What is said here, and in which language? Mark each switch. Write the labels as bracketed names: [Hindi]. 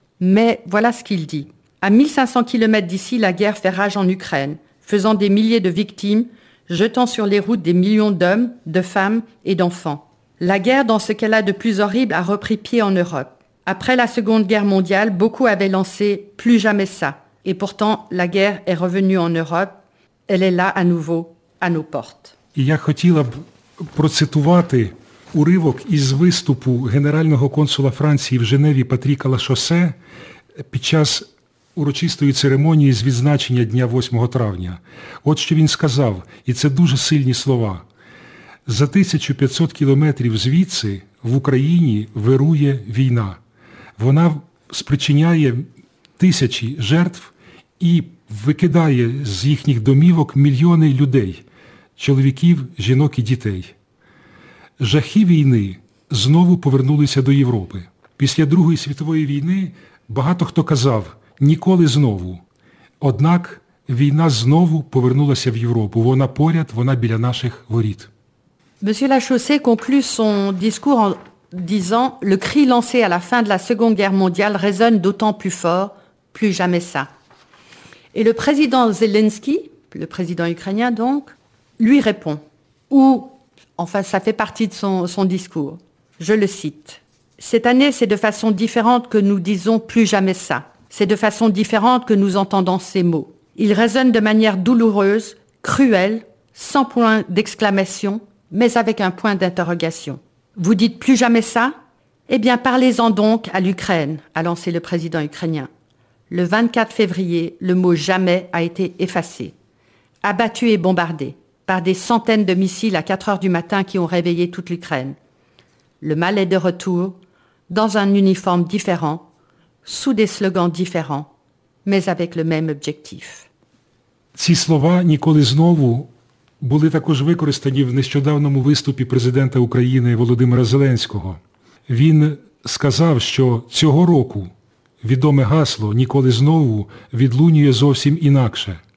[French] Mais voilà ce qu'il dit. À 1500 km d'ici, la guerre fait rage en Ukraine, faisant des milliers de victimes, jetant sur les routes des millions d'hommes, de femmes et d'enfants. La guerre, dans ce qu'elle a de plus horrible, a repris pied en Europe. Après la Seconde Guerre mondiale, beaucoup avaient lancé « plus jamais ça ». Et pourtant, la guerre est revenue en Europe. Elle est là à nouveau, à nos portes. [Ukrainian] Я хотіла б процитувати уривок із виступу генерального консула Франції в Женеві Патріка Лашосе під час урочистої церемонії з відзначення Дня 8 травня. От що він сказав, і це дуже сильні слова. За 1500 кілометрів звідси в Україні вирує війна. Вона спричиняє тисячі жертв і викидає з їхніх домівок мільйони людей, чоловіків, жінок і дітей. Жахи війни знову повернулися до Європи. Після Другої світової війни багато хто казав, ніколи знову. Однак війна знову повернулася в Європу. Вона поряд, вона біля наших воріт. [French] Monsieur Lachaussée conclut son discours en disant « Le cri lancé à la fin de la Seconde Guerre mondiale résonne d'autant plus fort, plus jamais ça. » Et le président Zelensky, le président ukrainien donc, lui répond où, enfin, ça fait partie de son discours. Je le cite. Cette année, c'est de façon différente que nous disons plus jamais ça. C'est de façon différente que nous entendons ces mots. Ils résonnent de manière douloureuse, cruelle, sans point d'exclamation, mais avec un point d'interrogation. Vous dites plus jamais ça? Eh bien, parlez-en donc à l'Ukraine, a lancé le président ukrainien. Le 24 février, le mot « jamais » a été effacé, abattu et bombardé par des centaines de missiles à 4 heures du matin qui ont réveillé toute l'Ukraine. Le mal est de retour, dans un uniforme différent, sous des slogans différents, mais avec le même objectif. [Ukrainian] Ці слова ніколи знову були також використані в нещодавному виступі президента України Володимира Зеленського. Він сказав, що цього року відоме гасло «Ніколи знову» відлунює зовсім інакше.